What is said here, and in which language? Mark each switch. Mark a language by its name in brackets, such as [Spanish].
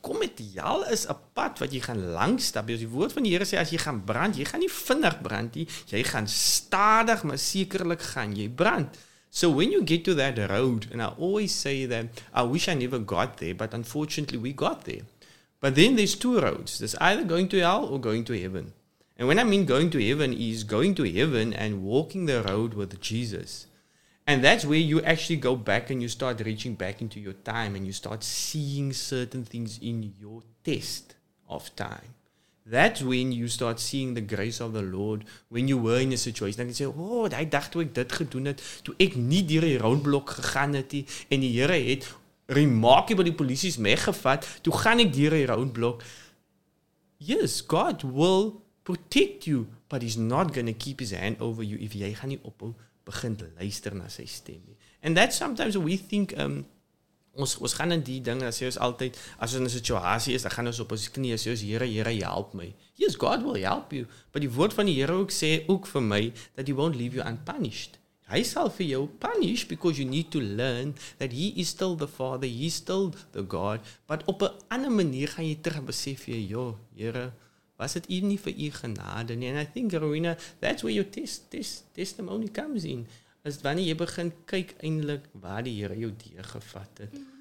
[Afrikaans] kom met jou is 'n pad wat jy gaan langs stap. Die woord van die Here sê, as jy gaan brand, jy gaan nie vinnig brand nie, jy gaan stadig, maar sekerlik gaan jy brand. [English] So when you get to that road, and I always say that, I wish I never got there, but unfortunately we got there. But then there's two roads. There's either going to hell or going to heaven. And when I mean going to heaven is going to heaven and walking the road with Jesus. And that's where you actually go back and you start reaching back into your time and you start seeing certain things in your test of time. That's when you start seeing the grace of the Lord when you were in a situation. [Afrikaans] Dan jy sê, oh, daai dag toe ek dit gedoen het, toe ek nie deur die roadblock gegaan het nie en die Here het remarkable die polisies meegevat, toe gaan ek deur die roadblock. [English] Yes, God will protect you, but he's not going to keep his hand over you if [Afrikaans] jy gaan nie ophou begin luister na sy stem nie. [English] And that's sometimes we think, [Afrikaans] ons gaan in die ding, dan sê ons altyd, as ons in 'n situasie is, dan gaan ons op ons knie, sê ons, Here, help my. [English] Yes, God will help you. But [Afrikaans] die woord van die Here ook sê, ook vir my, [English] that he won't leave you unpunished. [Afrikaans] Hy sal vir jou punish, [English] because you need to learn, that he is still the Father, he is still the God, [Afrikaans] but op 'n ander manier, gaan jy terug besef, jo, Here, was het even nie vir jy genade nie? [English] And I think, Rowena, that's where your testimony comes in. [Afrikaans] Is wanneer jy begin kyk eindelijk waar die Here jou deur gevat het.